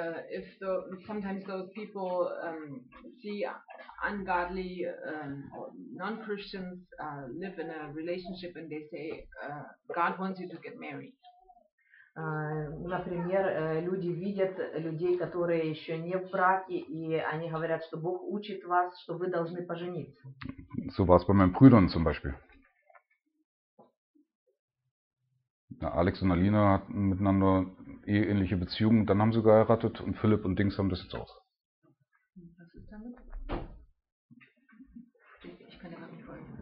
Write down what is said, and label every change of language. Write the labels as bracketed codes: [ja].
[en] If the, sometimes those people see ungodly non-Christians live in a relationship and they say, God wants you to get married. [ru] Например, люди видят людей, которые еще не в браке, и они говорят, что Бог учит вас, что вы должны пожениться. [de] So war es bei meinen Brüdern zum Beispiel. Na, Alex und Alina hatten miteinander eheähnliche Beziehungen, dann haben sie geheiratet und Philipp und Dings haben das jetzt auch. Was ist damit? Ich kann ja gar nicht folgen.